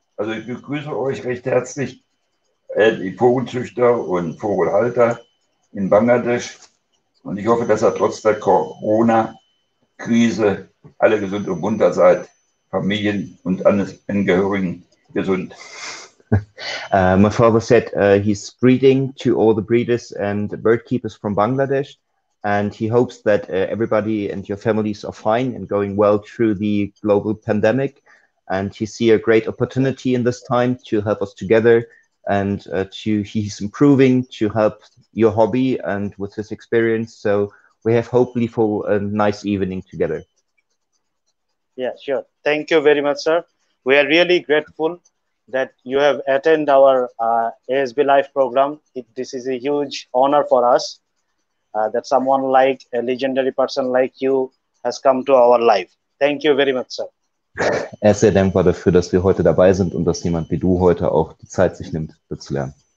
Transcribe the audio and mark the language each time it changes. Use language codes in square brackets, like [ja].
[de] Also ich begrüße euch recht herzlich, die Vogelzüchter und Vogelhalter in Bangladesch. Und ich hoffe, dass ihr trotz der Corona-Krise alle gesund und munter seid, Familien und Angehörigen gesund. [en] My father said he's greeting to all the breeders and bird keepers from Bangladesh, and he hopes that everybody and your families are fine and going well through the global pandemic. And he sees a great opportunity in this time to help us together, and he's improving to help your hobby and with his experience. So we have hopefully for a nice evening together. Yeah, sure. Thank you very much, sir. We are really grateful that you have attended our ASB Life program. This is a huge honor for us that someone like a legendary person like you has come to our life. Thank you very much, sir. [de] Er ist sehr dankbar dafür, dass wir heute dabei sind und dass jemand wie du heute auch die Zeit sich nimmt, das zu lernen.